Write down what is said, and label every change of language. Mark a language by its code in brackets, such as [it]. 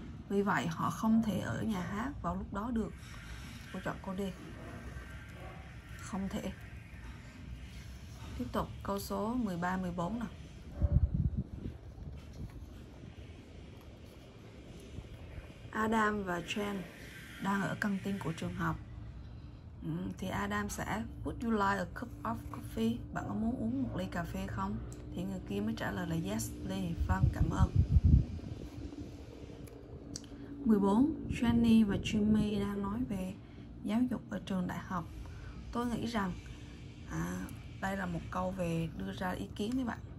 [vi] Vì vậy họ không thể ở nhà hát vào lúc đó được. Cô chọn câu D. Không thể. Tiếp tục câu số 13, 14 nào. Adam và Chen đang ở căng tin của trường học. Thì Adam sẽ [en] Would you like a cup of coffee? [vi] Bạn có muốn uống một ly cà phê không? Thì người kia mới trả lời là [en] yes, please. [vi] Vâng, cảm ơn. 14. Jenny và Jimmy đang nói về giáo dục ở trường đại học. Tôi nghĩ rằng đây là một câu về đưa ra ý kiến đấy bạn.